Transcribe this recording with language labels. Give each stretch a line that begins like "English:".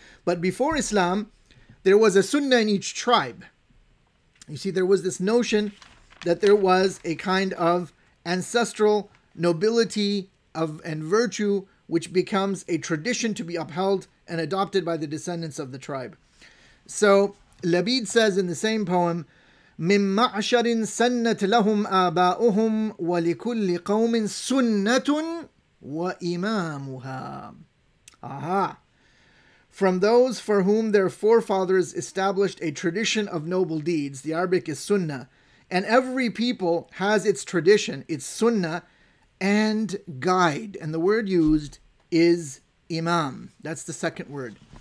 English: But before Islam, there was a sunnah in each tribe. You see, there was this notion that there was a kind of ancestral nobility of and virtue which becomes a tradition to be upheld and adopted by the descendants of the tribe. So Labid says in the same poem,
Arabic: مِن مَعْشَرٍ سَنَّتْ لَهُمْ آبَاؤُهُمْ وَلِكُلِّ قَوْمٍ سُنَّةٌ وَإِمَامُهَا.
English: Aha! From those for whom their forefathers established a tradition of noble deeds, the Arabic is sunnah, and every people has its tradition, its sunnah, and guide. And the word used is imam. That's the second word.